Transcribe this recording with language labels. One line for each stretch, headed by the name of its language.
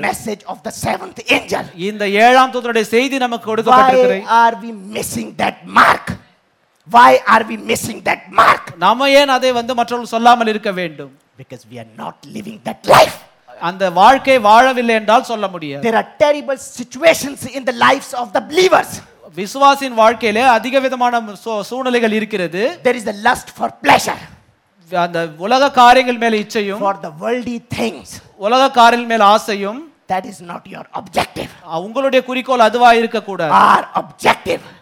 English: We have the message of the seventh angel.
Tamil: இந்த ஏழாம் தூதனுடைய செய்தி நமக்கு கொடுக்கப்பட்டிருக்கிறது.
English: Why are we missing that mark? Why are we missing that mark?
Tamil: நாம் ஏன் அதை வந்து மற்றவர்களுக்கு சொல்லாமல் இருக்க வேண்டும்?
English: Because we are not living that life.
Tamil: அந்த வாழ்க்கை வாழவில்லை என்றால் சொல்ல முடியாது.
English: There are terrible situations in the lives of the believers.
Tamil: விசுவாசியின் வாழ்க்கையிலே அதிக விதமான சூழ்நிலைகள் இருக்கிறது.
English: There is the lust for pleasure.
Tamil: அந்த உலக காரியங்கள் மேல் இச்சையும்
English: for the worldly things.
Tamil: உலக காரியங்கள் மேல் ஆசையும்
English: that is not your objective.
Tamil: உங்களுடைய குறிக்கோள் அதுவா இருக்க கூடாது.
English: Our objective